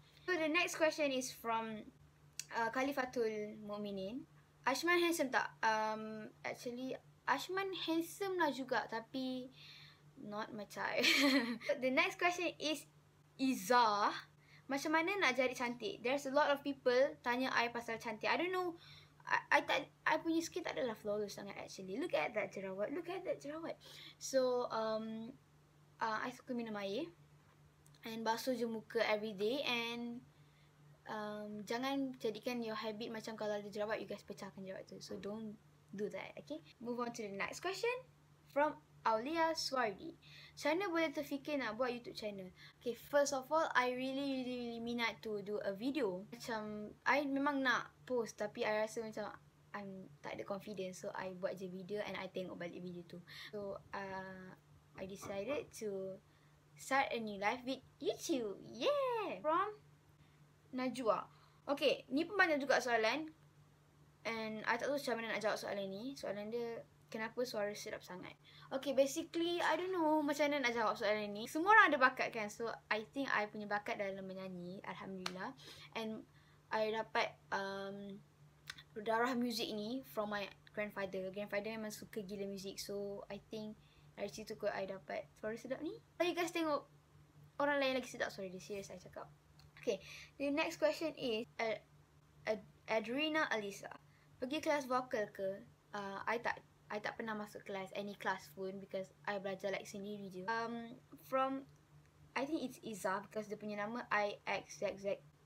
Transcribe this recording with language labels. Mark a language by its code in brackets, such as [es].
[en] So the next question is from Khalifatul Mu'minin. Ashman handsome tak? Actually, Ashman handsome [ms] lah juga [en] tapi not my type. The next question is Iza. [ms] Macam mana nak jadi cantik? [en] There's a lot of people [ms] tanya I pasal cantik. [en] I don't know. [ms] I punya skin tak adalah flawless sangat actually. [en] Look at that jerawat. So, I [ms] suka minum air. And basuh je muka [en] every day. [ms] And jangan jadikan [en] your habit [ms] macam kalau ada jerawat, [en] you guys [ms] pecahkan jerawat tu. [en] So don't do that, okay? Move on to the next question from Aulia Swardi. [ms] Macam mana boleh terfikir nak buat YouTube channel? [en] Okay, first of all, I really minat to do a video. [ms] Macam, I memang nak post tapi I rasa macam I'm tak ada confidence. So I buat je video and I tengok balik video tu. [en] So I decided to start a new life with YouTube. Yeah! From Najwa. Okay, [ms] ni pun banyak juga soalan. And I tak tahu macam mana nak jawab soalan ni. Soalan dia, kenapa suara sedap sangat? [en] Okay, basically, I don't know [ms] macam mana nak jawab soalan ni. Semua orang ada bakat kan? [en] So, I think [ms] I punya bakat dalam menyanyi. Alhamdulillah. [en] And I [ms] dapat darah muzik ni [en] from my grandfather. [ms] Grandfather memang suka gila muzik. [en] So, I think [ms] dari situ kot I dapat suara sedap ni. Kalau you guys tengok orang lain lagi sedap suara dia. Serius, I cakap. [en] Okay, the next question is Adrina Alisa. [ms] Pergi kelas vokal ke? I tak pernah masuk kelas, [en] any class [ms] pun, because I belajar like sendiri je. [en] From, I think it's Iza, because [ms] dia punya nama [en] IXXXH.